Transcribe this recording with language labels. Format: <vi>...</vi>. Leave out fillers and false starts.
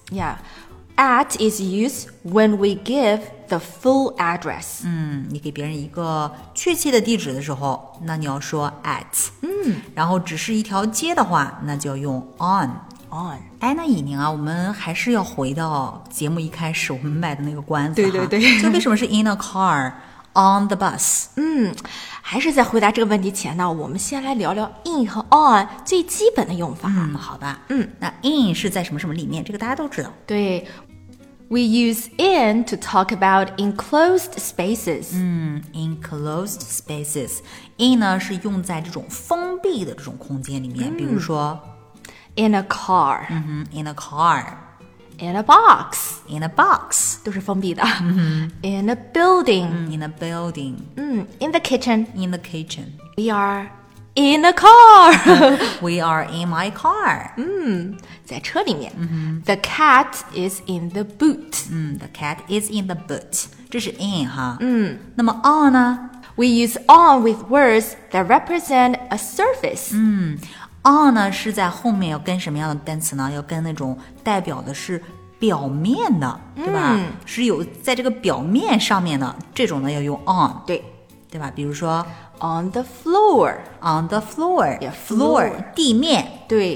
<en>yeah， at is used when we give the full address，</en> <zh>你给别人一个确切的地址的时候，那你要说 at， 然后只是一条街的话，那就要用 on。</zh> <en>On，</en> <zh>哎，那以宁啊，我们还是要回到节目一开始我们卖的那个关子，对对对，就为什么是</zh> <en>in a car on the bus？</en> <zh>还是在回答这个问题前呢，我们先来聊聊 in 和 on 最基本的用法。好吧，那 in 是在什么什么里面，这个大家都知道。</zh> <en>对， we use in to talk about enclosed spaces。</en> <zh>enclosed spaces， in 呢是用在这种封闭的这种空间里面，比如说。</zh> <en>In a car. In a car. In a box. In a box.</en> <zh>都是封闭的。</zh> <en>In a building. In a building. In the kitchen. In the kitchen. We are in a car. We are in my car.</en> <zh>在车里面。</zh> <en>The cat is in the boot. The cat is in the boot.</en> <zh>这是 in 哈。那么 on 呢？</zh> <en>We use on with words that represent a surface.</en> <zh>On 呢是在后面要跟什么样的单词呢？要跟那种代表的是表面的，对吧？是有在这个表面上面的这种呢，要用 on。对，对吧？比如说</zh> <en>on the floor， on the floor， yeah， floor，</en> <zh>地面。对，</zh>